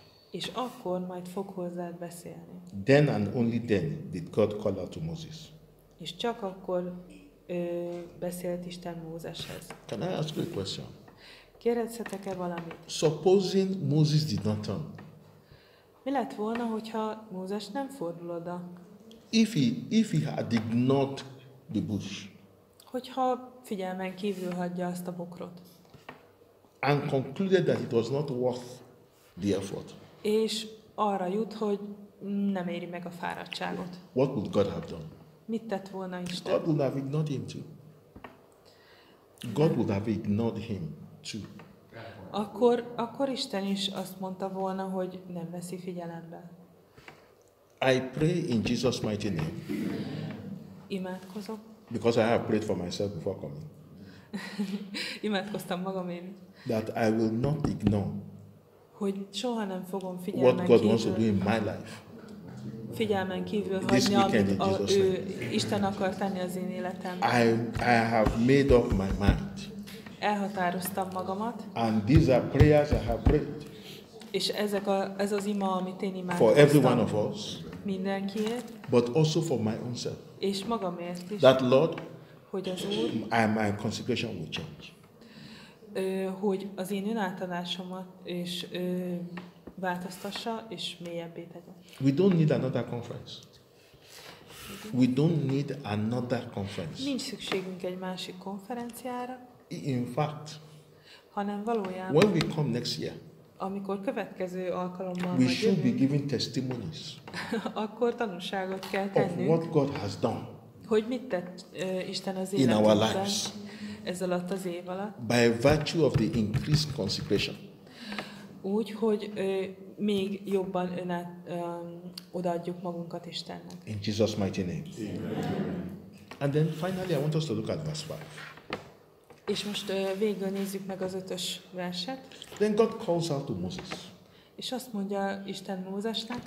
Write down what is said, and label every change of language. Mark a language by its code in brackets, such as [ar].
[hu] És akkor majd fog hozzád beszélni. [en] Then and only then did God call out to Moses. [hu] És csak akkor beszélt Isten Mózeshez. [en] Can I ask you a question? [hu] Kérdezhetek-e valamit? [en] Supposing Moses did not turn. [hu] Mi lett volna, hogyha Mózes nem fordul oda? [en] If he had ignored the bush. [hu] Hogyha figyelmen kívül hagyja azt a bokrot. [en] And concluded that it was not worth the effort. [hu] És arra jut, hogy nem éri meg a fáradtságot. [en] What would God have done? [hu] Mit tett volna Isten? [en] God would have ignored him too. God would have ignored him too. [hu] Akkor Isten is azt mondta volna, hogy nem veszi figyelembe. [en] I pray in Jesus' mighty name. [hu] Imádkozok. [en] Because I have prayed for myself before coming. [hu] Imádkoztam magamért. [en] That I will not ignore. [hu] Hogy soha nem fogom figyelmen [en] what God [hu] kívül. [en] Wants to do in my life. [hu] Figyelmen kívül hagyni, amit Isten akar tenni az én életem. [en] I have made up my mind. [hu] Elhatároztam magamat. [en] And these are prayers I have prayed. [hu] És ezek ez az ima, amit én imádkoztam. [en] For every one of us. [hu] Mindenkiért. [en] But also for my own self. [hu] És magamért is. [en] That Lord. [hu] Hogy az Úr. [en] My consecration will change. [hu] Hogy az én önátadásomat és változtassa és mélyebbé tegye. [en] We don't need another conference. We don't need another conference. [hu] Nincs szükségünk egy másik konferenciára. [en] In fact. [hu] Hanem valójában. [en] When we come next year. [hu] Amikor következő alkalommal. [en] We should be giving testimonies. [hu] Akkor tanúságot kell tennünk. [en] Of what God has done. [hu] Hogy mit tett Isten az életünkben. [en] In our lives. [hu] Ez alatt az év alatt. [en] By virtue of the increased consecration. [hu] Úgy, hogy még jobban odaadjuk magunkat Istennek. [en] In Jesus' mighty name. Amen. And then finally I want us to look at verse 5. [hu] És most végül nézzük meg az ötös verset. [en] Then God calls out to Moses. [hu] És azt mondja Isten Mózesnek.